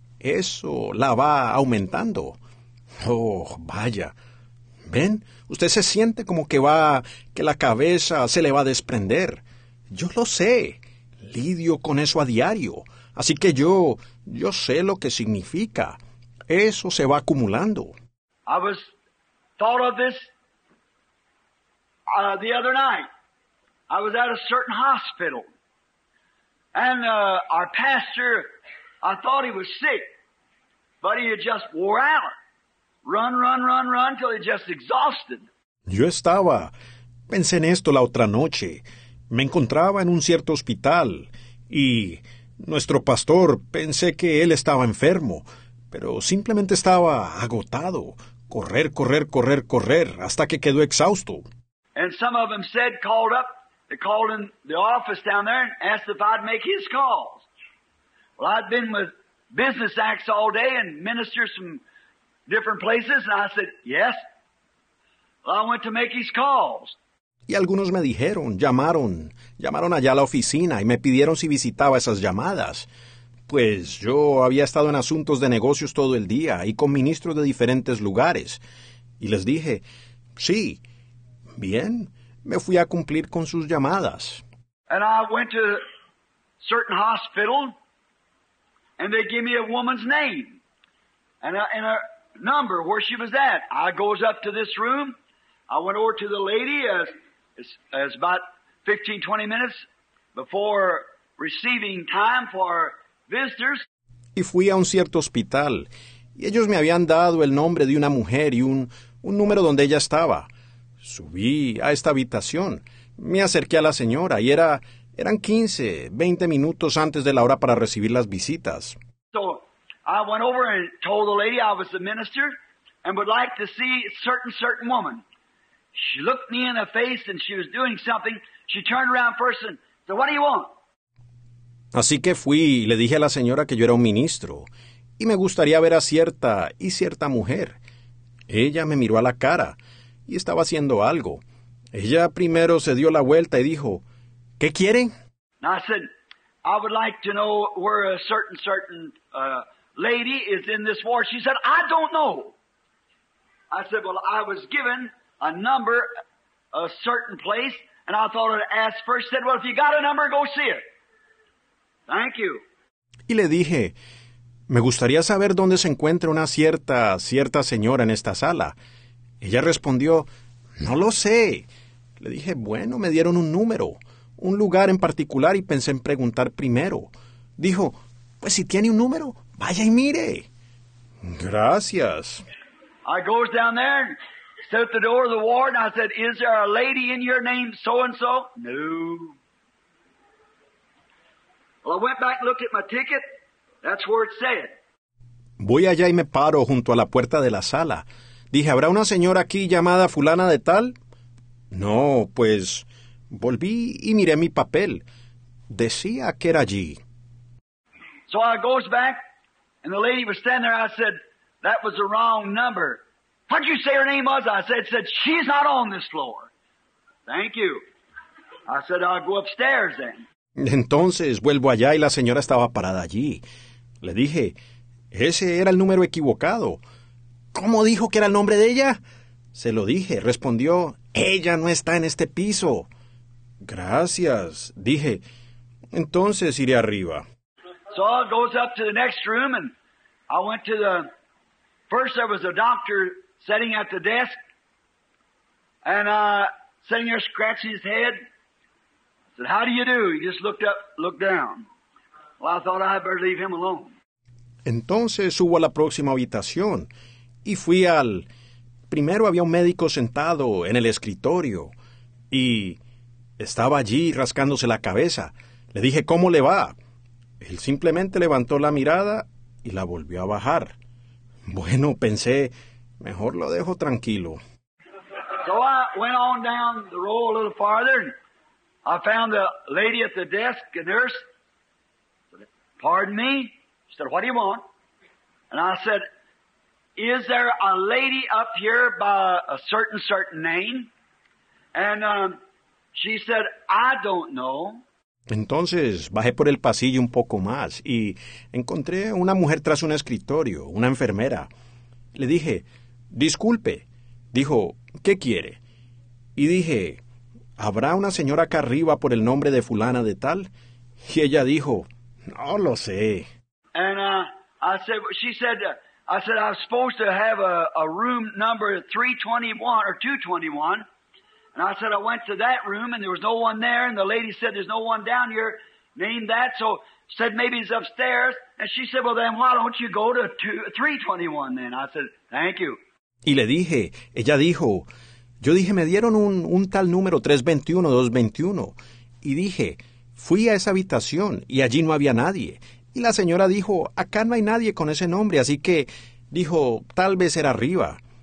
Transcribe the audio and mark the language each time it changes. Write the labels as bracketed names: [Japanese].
[Spanish] Eso la va aumentando. Oh, vaya. ¿Ven? Usted se siente como que va, que la cabeza se le va a desprender. Yo lo sé. Lidio con eso a diario. Así que yo sé lo que significa. Eso se va acumulando. [English] I was thought of this the other night. I was at a certain hospital. And our pastor, I thought he was sick, but he had just wore out. Run till he just exhausted. [Spanish] Yo estaba, pensé en esto la otra noche. Me encontraba en un cierto hospital y nuestro pastor, pensé que él estaba enfermo, pero simplemente estaba agotado, correr hasta que quedó exhausto. [English] And some of them said, called up, they called in the office down there and asked if I'd make his call. Well, I'd been with business acts all day and ministers from different places, and I said, yes. Well, I went to make his calls. [Spanish] Y algunos me dijeron, llamaron allá a la oficina y me pidieron si visitaba esas llamadas. Pues yo había estado en asuntos de negocios todo el día y con ministros de diferentes lugares. Y les dije, sí, bien, me fui a cumplir con sus llamadas. [English] And I went to a certain hospital. And they give me a woman's name and a number where she was at. I goes up to this room. I went over to the lady. It's about 15, 20 minutes before receiving time for our visitors. [Spanish] Y fui a un cierto hospital. Y ellos me habían dado el nombre de una mujer y un número donde ella estaba. Subí a esta habitación. Me acerqué a la señora y era... Eran 15, 20 minutos antes de la hora para recibir las visitas. [English] So, I went over and told the lady I was the minister and would like to see certain woman. She looked me in the face and she was doing something. She turned around first and said, what do you want? [Spanish] Así que fui y le dije a la señora que yo era un ministro y me gustaría ver a cierta y cierta mujer. Ella me miró a la cara y estaba haciendo algo. Ella primero se dio la vuelta y dijo, ¿qué quiere? [English] I said, I would like to know where a certain lady is in this ward. She said, I don't know. I said, well, I was given a number, a certain place, and I thought I'd ask first. She said, well, if you got a number, go see it. Thank you. [Spanish] Y le dije, me gustaría saber dónde se encuentra una cierta señora en esta sala. Ella respondió, no lo sé. Le dije, bueno, me dieron un número, un lugar en particular y pensé en preguntar primero. Dijo, pues si tiene un número, vaya y mire. Gracias. [English] I goes down there and stood at the door of the ward and I said, is there a lady in your name so-and-so? No. Well, I went back and looked at my ticket. That's where it said. [Spanish] Voy allá y me paro junto a la puerta de la sala. Dije, ¿habrá una señora aquí llamada fulana de tal? No, pues volví y miré mi papel. Decía que era allí. [English] So I goes back and the lady was standing there. I said, that was the wrong number. How'd you say her name was? I said, she's not on this floor. Thank you. I said, I'll go upstairs then. [Spanish] Entonces vuelvo allá y la señora estaba parada allí. Le dije, ese era el número equivocado. ¿Cómo dijo que era el nombre de ella? Se lo dije. Respondió, ella no está en este piso. Gracias, dije. Entonces iré arriba. [English] So I goes up to the next room and I went to the... First there was a doctor sitting at the desk and sitting there scratching his head. I said, how do you do? He just looked up, looked down. Well, I thought I'd better leave him alone. [Spanish] Entonces subo a la próxima habitación y fui al... Primero había un médico sentado en el escritorio y estaba allí rascándose la cabeza. Le dije, ¿cómo le va? Él simplemente levantó la mirada y la volvió a bajar. Bueno, pensé, mejor lo dejo tranquilo. [English] So I went on down the row a little farther and I found a lady at the desk, a nurse. Pardon me? She said, what do you want? And I said, is there a lady up here by a certain name? And she said, I don't know. [Spanish] Entonces bajé por el pasillo un poco más y encontré una mujer tras un escritorio, una enfermera. Le dije, disculpe. Dijo, ¿qué quiere? Y dije, ¿habrá una señora acá arriba por el nombre de fulana de tal? Y ella dijo, no lo sé. [English] And I said, I was supposed to have a room number 321 or 221. And I said, I went to that room and there was no one there. And the lady said, there's no one down here named that. So said, maybe he's upstairs. And she said, well, then why don't you go to 321 then? I said, thank you. [Spanish] Y le dije, ella dijo, yo dije, me dieron un tal número 321, 221. Y dije, fui a esa habitación y allí no había nadie. Y la señora dijo, acá no hay nadie con ese nombre. Así que dijo, tal vez era arriba.